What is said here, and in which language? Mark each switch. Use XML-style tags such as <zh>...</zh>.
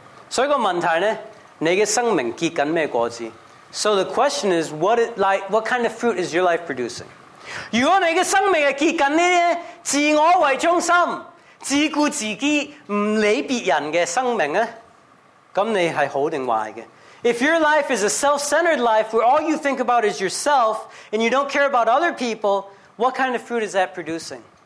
<yue>所以個問題呢, 你的生命結緊咩果子?</yue> <en>So the question is, what kind of fruit is your life producing?</en> <yue>如果你的生命結緊呢自我為中心, 自顧自己, 唔理別人的生命呢, 咁你係好定壞嘅?</yue> <en>If your life is a self-centered life where all you think about is yourself and you don't care about other people, what kind of fruit is that producing?</en>